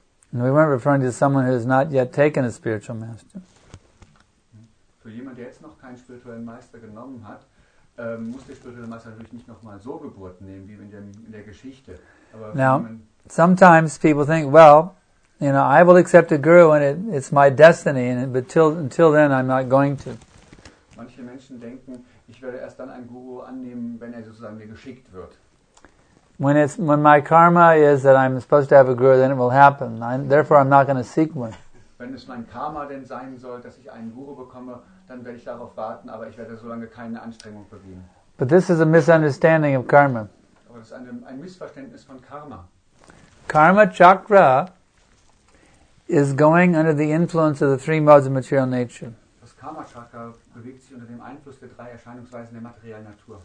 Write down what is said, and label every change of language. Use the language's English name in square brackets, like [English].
[English] And we weren't referring to someone who has not yet taken a spiritual master. [German] Für jemand, der jetzt noch keinen spirituellen Meister genommen hat, muss der spirituelle Meister natürlich nicht nochmal so Geburt nehmen wie in der Geschichte. [English] Now, sometimes people think, well, you know, I will accept a guru and it's my destiny, but until then, I'm not going to. [German] Manche Menschen denken, ich werde erst dann einen Guru annehmen, wenn er sozusagen mir geschickt wird. [English] When my karma is that I'm supposed to have a guru, then it will happen. Therefore, I'm not going to seek one. [German] Wenn es mein Karma denn sein soll, dass ich einen Guru bekomme, dann werde ich darauf warten, aber ich werde so lange keine Anstrengung begeben. [English] But this is a misunderstanding of karma. [German] Aber das ist ein Missverständnis von Karma. [English] Karma Chakra is going under the influence of the three modes of material nature. [German] Das Karma Chakra bewegt sich unter dem Einfluss der drei Erscheinungsweisen der materiellen Natur.